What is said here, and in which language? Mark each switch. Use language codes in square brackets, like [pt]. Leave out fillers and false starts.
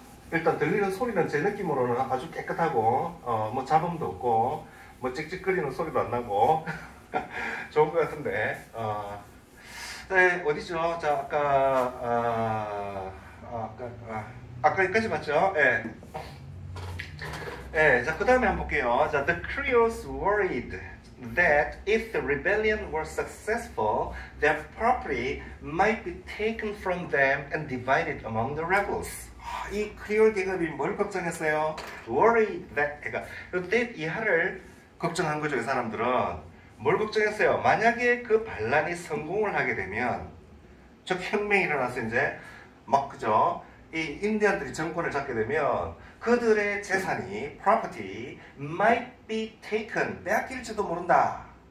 [ko] 일단 들리는 소리는 제 느낌으로는 아주 깨끗하고, 뭐 잡음도 없고, 뭐 찍찍거리는 소리도 안 나고, 좋은 것 같은데, 네, 어디죠? 자, 아까 여기까지 봤죠? 예. 예, 자, 그 다음에 한번 볼게요. [en] 자, The Creoles worried that if the rebellion were successful, their property might be taken from them and divided among the rebels. [ko] 이 크리올 계급이 뭘 걱정했어요? [en] Worried that, [ko] 그러니까 that 이하를 걱정한 거죠, 이 사람들은. 뭘 걱정했어요? 만약에 그 반란이 성공을 하게 되면, 즉 혁명이 일어나서 이제 막 그죠? 이 인디언들이 정권을 잡게 되면 그들의 재산이 [en] property might be taken, [ko] 빼앗길지도 모른다.